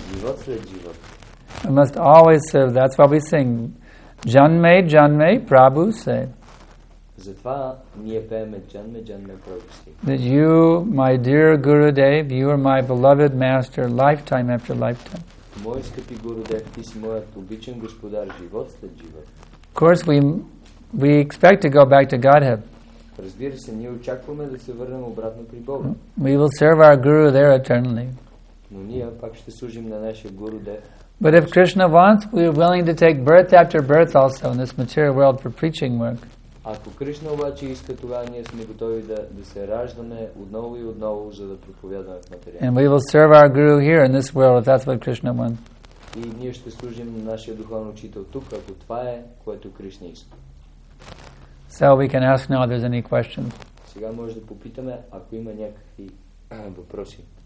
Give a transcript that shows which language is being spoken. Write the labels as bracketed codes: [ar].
[bg] Живот след живот. [en] We must always serve. That's why we sing. [bn] Janme, janme, Prabhu say. [bg] Затова ние пееме [bn] Janme, janme, Prabhu say. [en] That you, my dear Gurudev, you are my beloved master, lifetime after lifetime. [bg] Мой скъпи Гурудев, ти си моят обичан господар, живот след живот. [en] Of course, we expect to go back to Godhead. [bg] Разбира се, ние очакваме да се върнем обратно при Бога. [en] We will serve our Guru there eternally. [bg] Но ние пак ще служим на нашия Гурудев. [en] But if Krishna wants, we are willing to take birth after birth also in this material world for preaching work. [bg] Ако Кришна обаче иска, тогава ние сме готови да се раждаме отново и отново, за да проповядаме в материал. [en] And we will serve our Guru here in this world if that's what Krishna wants. [bg] И ние ще служим нашия духовен учител тук, ако това е, което Кришна иска. [en] So we can ask now if there's any questions. [bg] Сега може да попитаме, ако има някакви въпроси.